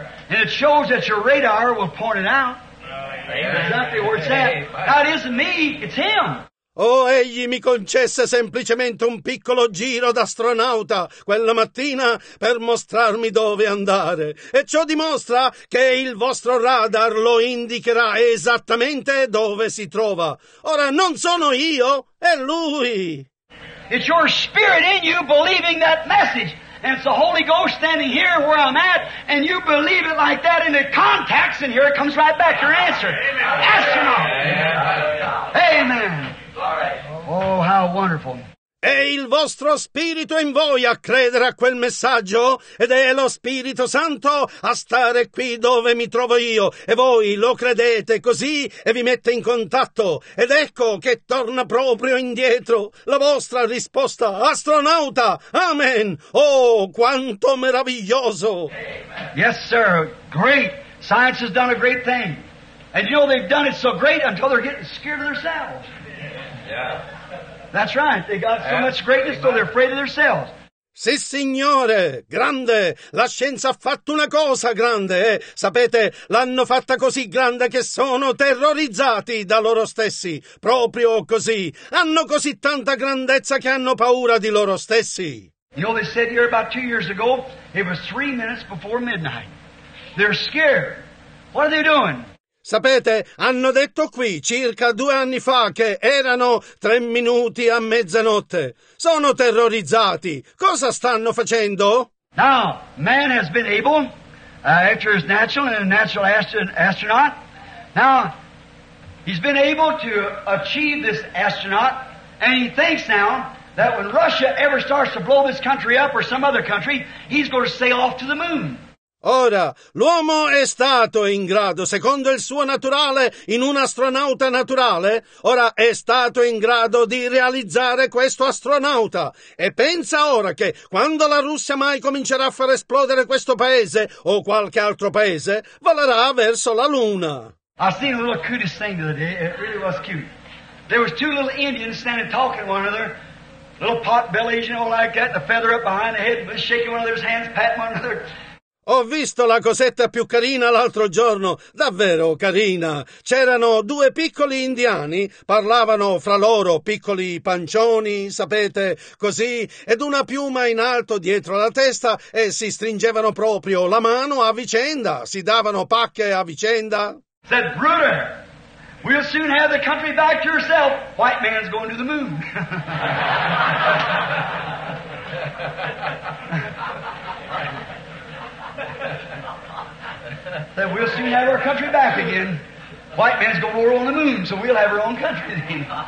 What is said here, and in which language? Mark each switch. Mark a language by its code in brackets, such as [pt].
[en] And it shows that your radar will point it out. That isn't me, it's him. [it] Oh, egli mi concesse semplicemente un piccolo giro d'astronauta quella mattina per mostrarmi dove andare. E ciò dimostra che il vostro radar lo indicherà esattamente dove si trova. Ora non sono io, è lui. [en] It's your spirit in you believing that message. And it's the Holy Ghost standing here where I'm at, and you believe it like that, and it contacts in here, it comes right back, your answer. Astronaut. Amen. Oh, how wonderful. [it] È il vostro spirito in voi a credere a quel messaggio ed è lo Spirito Santo a stare qui dove mi trovo io e voi lo credete così e vi mette in contatto ed ecco che torna proprio indietro la vostra risposta, astronauta, amen. Oh, quanto meraviglioso! [en] Amen. Yes, sir, great. Science has done a great thing. And you know they've done it so great until they're getting scared of themselves. Yeah. That's right, they got so much greatness, so they're afraid of themselves. [it] Sì, signore, grande, la scienza ha fatto una cosa grande, eh? Sapete, l'hanno fatta così grande che sono terrorizzati da loro stessi, proprio così. Hanno così tanta grandezza che hanno paura di loro stessi. [en] You know, they said here about 2 years ago, it was 3 minutes before midnight. They're scared. What are they doing? [it] Sapete, hanno detto qui circa 2 anni fa che erano 3 minuti a mezzanotte. Sono terrorizzati. Cosa stanno facendo? [en] Now, man has been able, after his natural and natural astronaut, now, he's been able to achieve this astronaut, and he thinks now that when Russia ever starts to blow this country up or some other country, he's going to sail off to the moon. [it] Ora, l'uomo è stato in grado, secondo il suo naturale, in un astronauta naturale, ora è stato in grado di realizzare questo astronauta. E pensa ora che, quando la Russia mai comincerà a far esplodere questo paese, o qualche altro paese, volerà verso la Luna. [en] I seen a little cutest thing today. It really was cute. There was two little Indians standing talking to one another. Little pot bellies, you know, like that, the feather up behind the head, shaking one another's hands, patting one another. [it] Ho visto la cosetta più carina l'altro giorno, davvero carina. C'erano due piccoli indiani, parlavano fra loro, piccoli pancioni, sapete, così, ed una piuma in alto dietro la testa e si stringevano proprio la mano a vicenda, si davano pacche a vicenda. [en] Said Bruder, we'll soon have the country back to yourself. White man's going to the moon. That we'll soon have our country back again. White man's going to war on the moon, so we'll have our own country then.